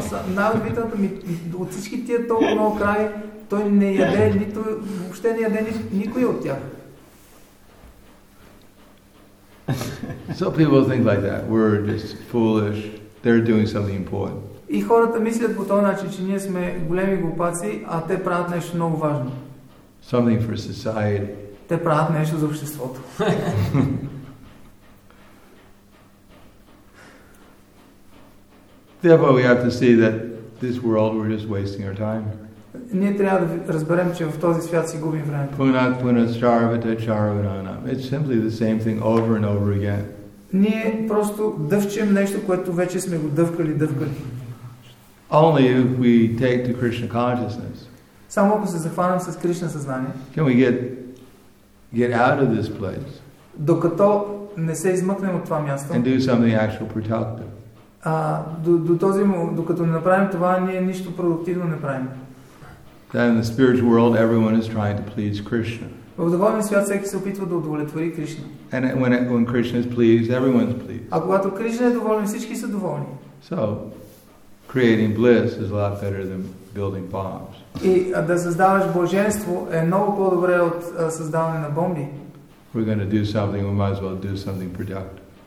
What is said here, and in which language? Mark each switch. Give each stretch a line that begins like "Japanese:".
Bulgarian: Най-удивителното ми, от всички тия толкова много крави, той не яде нито, въобще не яде никой от тях.
English: So people think like that. We're just foolish. They're doing something important.
Bulgarian: И хората мислят по този начин, че ние сме големи глупаци, а те правят нещо много важно.
English: Something for society.
Bulgarian: Те правят нещо за обществото.
English: Therefore we have to see that this world we're just wasting our time.
Bulgarian: Ние трябва да разберем, че в този свят си губим време.
Sanskrit: Punat punat charvata charvananam.
English: It's simply the same thing over and over again.
Bulgarian: Ние просто дъвчем нещо, което вече сме го дъвкали.
English: Only if we take to Krishna consciousness.
Bulgarian: Само ако се захванем с Кришна съзнание.
English: Can we get out of this place?
Bulgarian: Докато не се измъкнем от това място.
English: And do something actual productive.
Bulgarian: Докато не направим това, ние нищо продуктивно не правим.
English: Then in the spiritual world, everyone is trying to please Krishna.
Bulgarian: В духовния свят всеки се опитва да удовлетвори Кришна.
English: And when Krishna is pleased, everyone is pleased.
Bulgarian: А когато Кришна е доволен, всички са доволни.
English: So, creating bliss is a lot better than building bombs.
Bulgarian: И да създаваш блаженство е много по-добре от създаване на бомби.
English: We're going to do something, we might as well do something productive.